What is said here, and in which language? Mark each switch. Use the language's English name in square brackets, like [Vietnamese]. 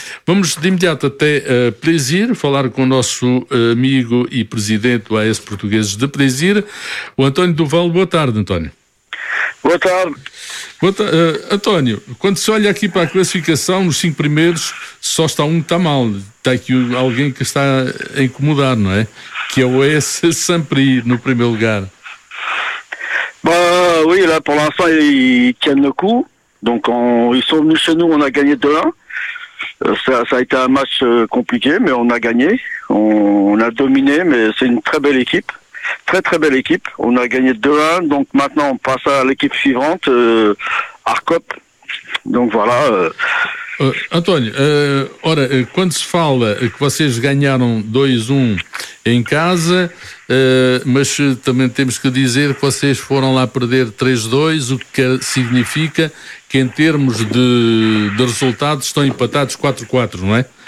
[Portuguese] Vamos de imediato até Plaisir falar com o nosso amigo e presidente do AS Portugueses de Plaisir, o António Duval. Boa tarde, António. Boa tarde. António, quando se olha aqui para a classificação, nos 5 primeiros só está um que está mal. Está aqui alguém que está a incomodar, não é? Que é o AS Sampri no primeiro lugar. [French] Bah, oui, là, pour l'instant, ils tiennent le coup. Donc, ils sont venus chez nous, on a gagné 2-1. Ça a été un match compliqué, mais on a gagné. On a dominé, mais c'est une très belle équipe. Très, très belle équipe. On a gagné 2-1. Donc, maintenant, on passe à l'équipe suivante, Arcop. Donc, voilà. [Portuguese] António, ora, quando se fala que vocês ganharam 2-1 em casa, mas também temos que dizer que vocês foram lá perder 3-2, o que significa que em termos de resultados estão empatados 4-4, não é?